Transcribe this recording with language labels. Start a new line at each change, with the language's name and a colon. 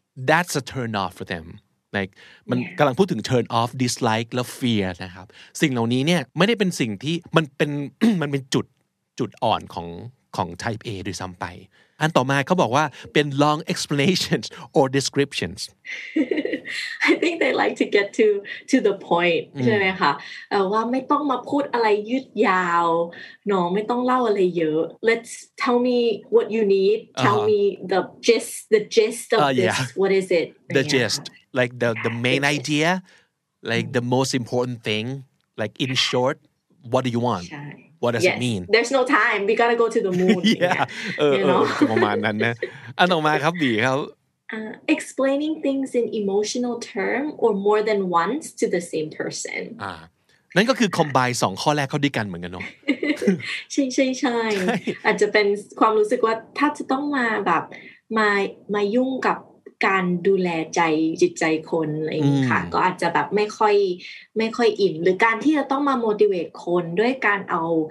English: that's a turn off for them like
Thai: มันกำลังพูดถึง turn off dislike และ fear นะครับสิ่งเหล่านี้เนี่ยไม่ได้เป็นสิ่งที่มันเป็น มันเป็นจุดอ่อนของ type A ด้วยซ้ำไปอันต่อมาเขาบอกว่าเป็น
English: long explanations or descriptions I think they like to get to the point
Thai: ใช่ไหมคะว่าไม่ต้องมาพูดอะไรยืดยาวเนาะไม่ต้องเล่าอะไรเยอะ
English: Let's tell me what you need tell me the gist of this what is it the gist like the main idea like the most important thing like in short what do you want What does it mean? There's no time. We gotta go to the moon. yeah.
Thai: ประมาณนั้นนะ อันต่อมาครับบีครับ
English: Explaining things in emotional term or more than once to the same person.
Thai: นั่นก็คือ combine สองข้อแรกเข้าด้วยกันเหมือนกันเนาะ ใช่ใช่ใช่ อาจจะเป็นความรู้สึกว่าถ้าจะต้องมาแบบมายุ่งกับการดูแลจิตใจคนอะไรอย่างนี้ค่ะก็อาจจะแบบไม่ค่อยอินหรือการที่จะต้องมา motivate คนด้วยการเอา